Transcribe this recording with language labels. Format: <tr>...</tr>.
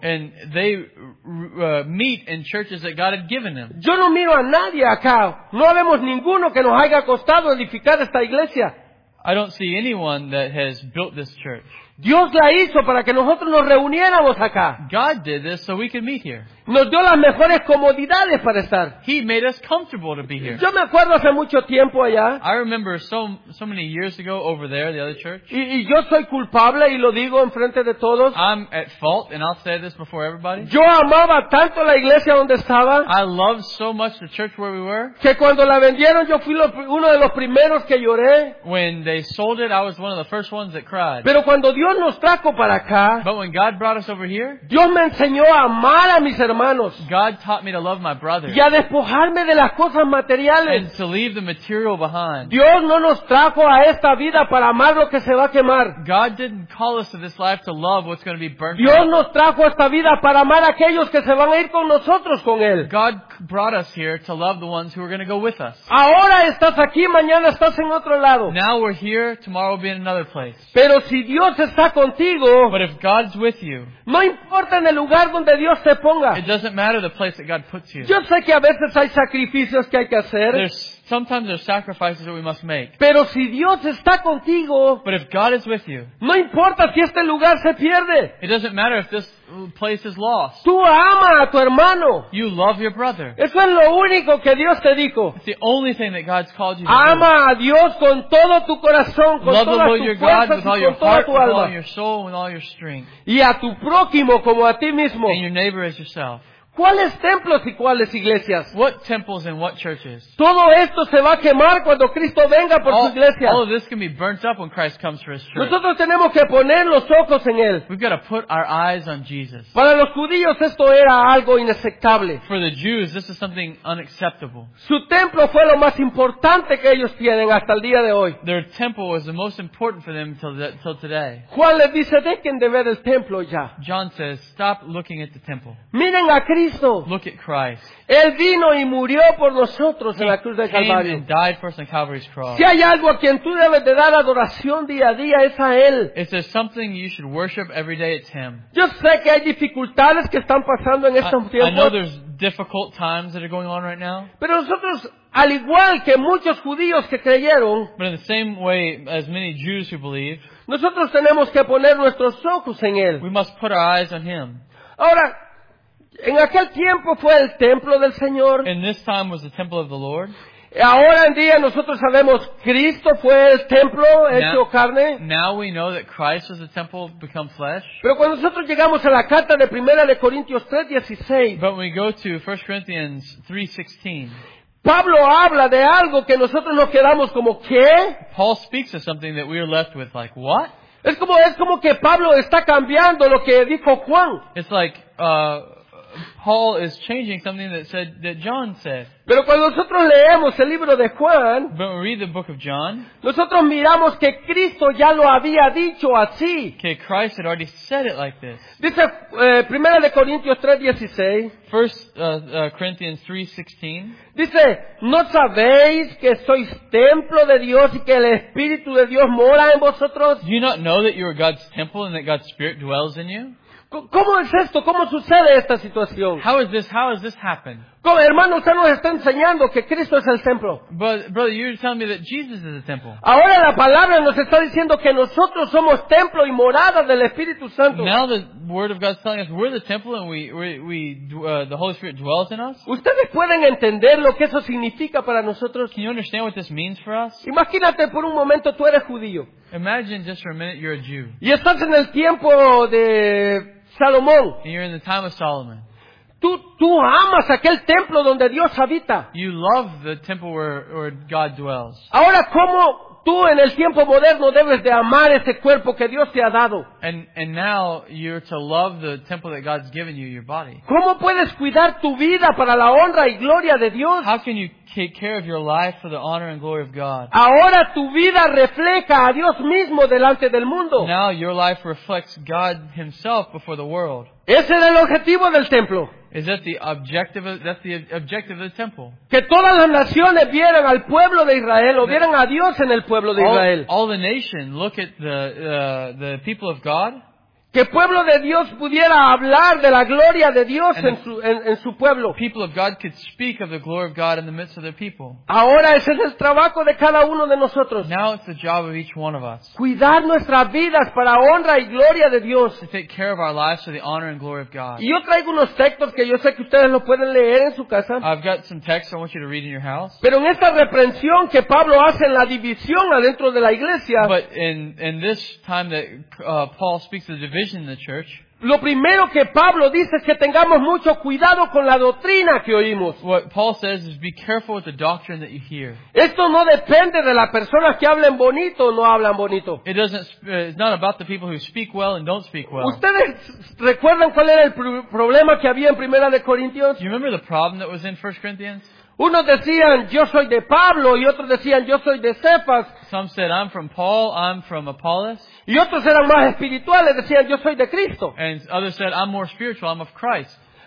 <en>And they meet in churches that God had given them.</en> <es>Yo no miro a nadie acá. No vemos ninguno que nos haya costado edificar esta iglesia.</es> <en>I don't see anyone that has built this church.</en> <es>Dios la hizo para que nosotros nos reuniéramos acá.</es> <en>God did this so we could meet here.</en> <es>Nos dio las mejores comodidades para estar.</es> <en>He made us comfortable to be here.</en> <es>Yo me acuerdo hace mucho tiempo allá.</es> <en>I remember so many years ago over there, the other church.</en> <es>Y yo soy culpable y lo digo en frente de todos.</es> <en>I'm at fault and I'll say this before everybody.</en> <es>Yo amaba tanto la iglesia donde estaba.</es> <en>I loved so much the church where we were.</en> <es>Que cuando la vendieron yo fui uno de los primeros que lloré.</es> <en>When they sold it, I was one of the first ones that cried.</en> <es>Pero cuando Dios nos trajo para acá.</es> <en>But when God brought us over here,</en> <es>Dios me enseñó a amar a mis hermanos.</es> <en>God taught me to love my brothers.</en> <es>Y a despojarme de las cosas materiales.</es> <en>And to leave the material behind.</en> <es>Dios no nos trajo a esta vida para amar lo que se va a quemar.</es> <en>God didn't call us to this life to love what's going to be burned.</en> <es>Dios nos trajo a esta vida para amar a aquellos que se van a ir con nosotros con él.</es> <en>God brought us here to love the ones who are going to go with us.</en> <es>Ahora estás aquí, mañana estás en otro lado.</es> <en>Now we're here, tomorrow we'll be in another place.</en> <es>Pero si Dios está contigo.</es> <en>But if God's with you,</en> <es>no importa en el lugar donde Dios te ponga.</es> <en>It doesn't matter the place that God puts you.</en> <es>Yo sé que a veces hay sacrificios que hay que hacer.</es> <en>Sometimes there's sacrifices that we must make.</en> <es>Pero si Dios está contigo,</es> <en>but if God is with you,</en> <es>no importa si este lugar se pierde.</es> <en>It doesn't matter if this place is lost.</en> <es>Tú ama a tu hermano.</es> <en>You love your brother.</en> <es>Eso es lo único que Dios te dijo.</es> <en>It's the only thing that God's called you to</en> <es>ama</es> <en>do.</en> <es>A Dios con todo tu corazón, con</es> <en>love the Lord your God with all your heart, with all your soul, with all your strength.</en> <es>Y a tu prójimo como a ti mismo.</es> <en>And your neighbor as yourself.</en> <es>¿Cuáles templos y cuáles iglesias?</es> <en>What temples and what churches?</en> <es>Todo esto se va a quemar cuando Cristo venga por su iglesia.</es> <en>All of this can be burnt up when Christ comes for his church.</en> <es>Nosotros tenemos que poner los ojos en él.</es> <en>We've got to put our eyes on Jesus.</en> <es>Para los judíos esto era algo inaceptable.</es> <en>For the Jews, this is something unacceptable.</en> <es>Su templo fue lo más importante que ellos tienen hasta el día de hoy.</es> <en>Their temple was the most important for them till today.</en> <es>Juan les dice, dejen de ver el templo ya.</es> <en>John says, stop looking at the temple.</en> <es>Miren a Cristo.</es> <en>Look at Christ.</en> <es>Él vino y murió por nosotros en la cruz de Calvario.</es> <en>He came and died for us on Calvary's cross.</en> <es>Si hay algo a quien tú debes de dar adoración día a día, es a Él.</es> <en>If there's something you should worship every day, it's Him.</en> <es>Yo sé que hay dificultades que están pasando en estos tiempos.</es> <en>I know there's difficult times that are going on right now.</en> <es>Pero nosotros, al igual que muchos judíos que creyeron,</es> <en>but in the same way as many Jews who believe,</en> <es>nosotros tenemos que poner nuestros ojos en Él.</es> <en>We must put our eyes on Him.</en> <es>Ahora, en aquel tiempo fue el templo del Señor.</es> <en>In this time was the temple of the Lord.</en> <es>Ahora en día nosotros sabemos Cristo fue el templo hecho carne.</es> <en>Now we know that Christ was the temple become flesh.</en> <es>Pero cuando nosotros llegamos a la carta de Primera de Corintios 3:16.</es> <en>But when we go to 1 Corinthians 3:16.</en> <es>Pablo habla de algo que nosotros nos quedamos como ¿qué?</es> <en>Paul speaks of something that we are left with like what?</en> <es>Es como que Pablo está cambiando lo que dijo Juan.</es> <en>It's like Paul is changing something that said that John said.</en> <es>Pero cuando nosotros leemos el libro de Juan,</es> <en>but when we read the book of John,</en> <es>nosotros miramos que Cristo ya lo había dicho así.</es> <en>Okay, Christ had already said it like this.</en> <es>Dice Primera de Corintios 3:16.</es> <en>First Corinthians 3:16.</en> <es>Dice, ¿no sabéis que sois templo de Dios y que el Espíritu de Dios mora en vosotros?</es> <en>Do you not know that you are God's temple and that God's Spirit dwells in you?</en> <es>¿Cómo es esto? ¿Cómo sucede esta situación?</es> <en>How has this happened?</en> <es>Como, hermano, usted nos está enseñando que Cristo es el templo.</es> <en>But, brother, you're telling me that Jesus is the temple.</en> <es>Ahora la palabra nos está diciendo que nosotros somos templo y morada del Espíritu Santo.</es> <en>Now the word of God is telling us we're the temple and the Holy Spirit dwells in us.</en> <es>¿Ustedes pueden entender lo que eso significa para nosotros?</es> <en>Can you understand what this means for us?</en> <es>Imagínate por un momento tú eres judío.</es> <en>Imagine just for a minute you're a Jew.</en> <es>Y estás en el tiempo de Salomón.</es> <en>And you're in the time of Solomon.</en> <es>Tú amas aquel templo donde Dios habita.</es> <en>You love the temple where God dwells.</en> <es>Ahora, ¿cómo tú en el tiempo moderno debes de amar ese cuerpo que Dios te ha dado?</es> <en>And now you're to love the temple that God's given you, your body.</en> <es>¿Cómo puedes cuidar tu vida para la honra y gloria de Dios?</es> <en>How can you take care of your life for the honor and glory of God?</en> <es>Ahora tu vida refleja a Dios mismo delante del mundo.</es> <en>Now your life reflects God himself before the world.</en> <es>Ese es el objetivo del templo.</es> <en>Is that the objective? That's the objective of the temple.</en> <es>Que todas las naciones vieran al pueblo de Israel o vieran a Dios en el pueblo de Israel.</es> <en>All the nations look at the people of God.</en> <es>Que pueblo de Dios pudiera hablar de la gloria de Dios en su pueblo.</es> <en>People of God could speak of the glory of God in the midst of their people.</en> <es>Ahora ese es el trabajo de cada uno de nosotros.</es> <en>Now it's the job of each one of us.</en> <es>Cuidar nuestras vidas para honra y gloria de Dios.</es> <en>To take care of our lives for the honor and glory of God.</en> <es>Y yo traigo unos textos que yo sé que ustedes lo pueden leer en su casa.</es> <en>I've got some texts I want you to read in your house.</en> <es>Pero en esta reprensión que Pablo hace en la división adentro de la iglesia.</es> <en>But in this time that Paul speaks of the division. In the church.</en> <es>Lo primero que Pablo dice es que tengamos mucho cuidado con la doctrina que oímos.</es> <en>What Paul says is be careful with the doctrine that you hear.</en> <es>Esto no depende de las personas que hablen bonito o no hablan bonito.</es> <en>It doesn't. It's not about the people who speak well and don't speak well.</en> <es>¿Ustedes recuerdan cuál era el problema que había en Primera de Corintios?</es> <en>Do you remember the problem that was in 1 Corinthians?</en> <es>Unos decían yo soy de Pablo y otros decían yo soy de Cephas.</es> <en>Some said I'm from Paul, I'm from Apollos.</en> <es>Y otros eran más espirituales, decían yo soy de Cristo.</es> <en>And others said I'm more spiritual, I'm of Christ.</en>